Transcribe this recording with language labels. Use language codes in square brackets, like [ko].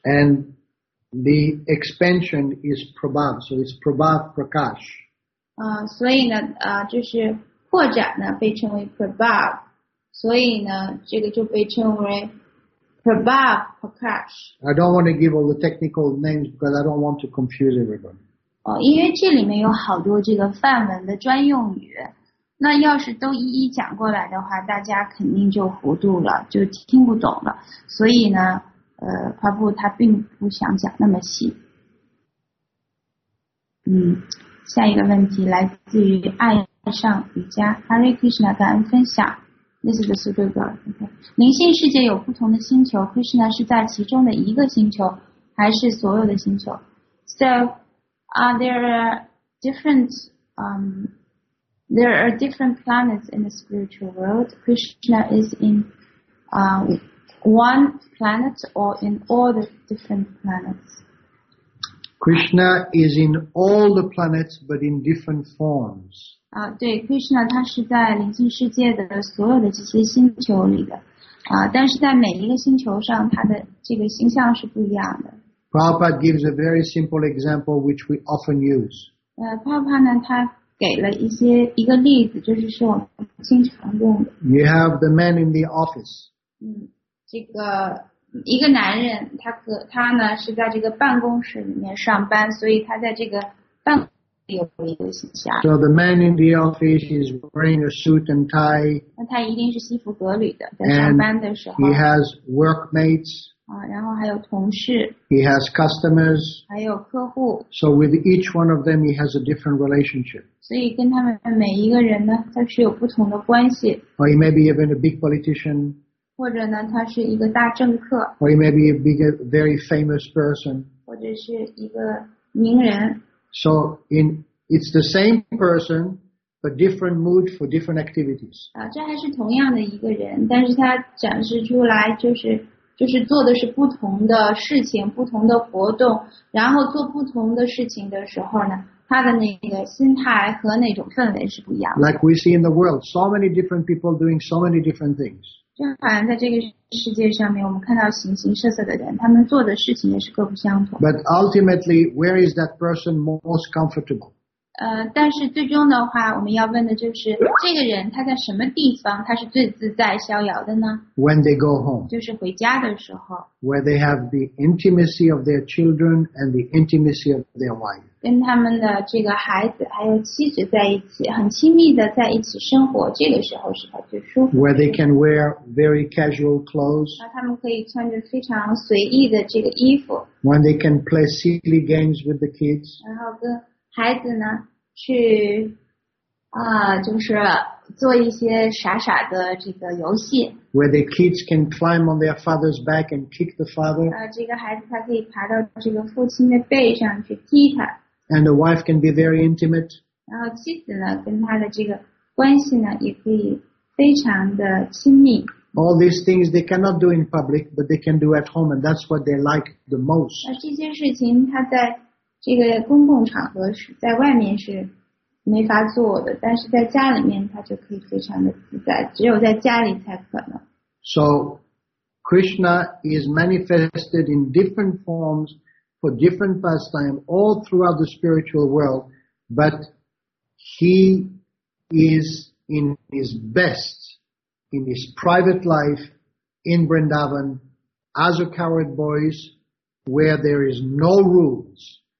[en] And the expansion is prabhav, so it's prabhav prakash. [zh] 所以呢，就是扩展呢被称为 prabhav, 所以呢，这个就被称为 prabhav prakash. [en] I don't want to give all the technical names because I don't want to confuse everybody. [zh] 因为这里面有好多这个梵文的专用语。那要是都一一讲过来的话，大家肯定就糊涂了，就听不懂了。所以呢，帕布他并不想讲那么细。下一个问题来自于爱上瑜伽 Hare Krishna 感恩分享。 [en] This is the super girl. [zh] OK， 灵性世界有不同的星球 ，Krishna 是在其中的一个星球，还是所有的星球 ？ [en] So, are there different There are different planets in the spiritual world. Krishna is in one planet or in all the different planets? Krishna is in all the planets, but in different forms. [zh] 对 ，Krishna 他是在灵性世界的所有的这些星球里的，但是在每一个星球上，他的这个形象是不一样的。 [en] Prabhupada gives a very simple example which we often use. [zh] Prabhupada 呢，他给了一些一个例子，就是说经常用的。 [en] You have the man in the office. [zh] 这个一个男人，他呢是在这个办公室里面上班，所以他在这个办公室有一个形象。 [en] So the man in the office is wearing a suit and tie. [zh] 那他一定是西服革履的，在上班的时候。 [en] And he has workmates. [zh] 然后还有同事。 [en] He has customers. [zh] 还有客户。 [en] So with each one of them, he has a different relationship. [zh] 所以跟他们每一个人呢，他是有不同的关系。 [en] Or he may be even a big politician. [zh] 或者呢，他是一个大政客。 [en] Or he may be a very famous person. [zh] 或者是一个名人。 [en] So it's the same person, but different mood for different activities. [zh] 这还是同样的一个人，但是他展示出来就是做的是不同的事情，不同的活动，然后做不同的事情的时候呢，他的那个心态和那种氛围是不一样的。 [en] Like we see in the world, so many different people doing so many different things. [zh] 就好像在这个世界上面，我们看到形形色色的人，他们做的事情也是各不相同。 [en] But ultimately, where is that person most comfortable? [zh] 但是最终的话，我们要问的就是这个人他在什么地方他是最自在逍遥的呢？ [en] When they go home. [zh] 就是回家的时候。 [en] Where they have the intimacy of their children and the intimacy of their wife. [zh] 跟他们的这个孩子还有妻子在一起，很亲密的在一起生活，这个时候是他最舒服。 [en] Where they can wear very casual clothes. [zh] 他们可以穿着非常随意的这个衣服。 [en] When they can play silly games with the kids. [zh] 然后跟孩子呢去就是做一些傻傻的这个游戏。 [en] Where the kids can climb on their father's back and kick the father. [zh] 这个孩子他可以爬到这个父亲的背上去踢他。 [en] And the wife can be very intimate. [zh] 然后妻子呢跟他的这个关系呢也可以非常的亲密。 [en] All these things they cannot do in public, but they can do at home, and that's what they like the most. [zh] 这些事情他在这个公共场合是在外面是没法做的，但是在家里面他就可以非常的自在，只有在家里才可能。 [en] So, Krishna is manifested in different forms for different pastimes all throughout the spiritual world, but he is in his best in his private life in Vrindavan as a coward boys where there is no rules.